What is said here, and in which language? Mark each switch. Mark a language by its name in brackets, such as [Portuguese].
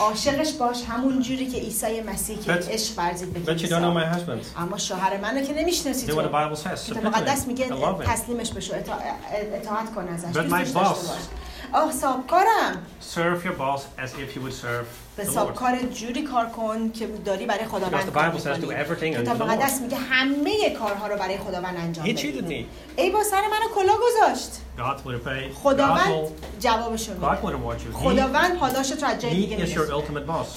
[Persian] عاشقش باش همون جوری که عیسی مسیح که عشق ورزید به کلیسا. [English] But you don't know my husband. [Persian] اما شوهر منو که نمی‌شناسی تو. [English] Do what the Bible says. [Persian] کتاب مقدس میگه تسلیمش بشو، اطاعت کن ازش. [English] But my boss. [Persian] آه سابکارم. [English] Serve your boss as if you would serve [Persian] به سابکار جوری کار کن که داری برای خداوند کار می‌کنی. کتاب مقدس میگه همه کارها رو برای خداوند انجام بدید. [English] He cheated me. [Persian] ای با سر منو کلا گذاشت. [English] God will pay. [Persian] خداوند جوابش رو میده. [English] God will reward you. [Persian] خداوند پاداش تو از جای دیگه میده. [English] He is your ultimate boss.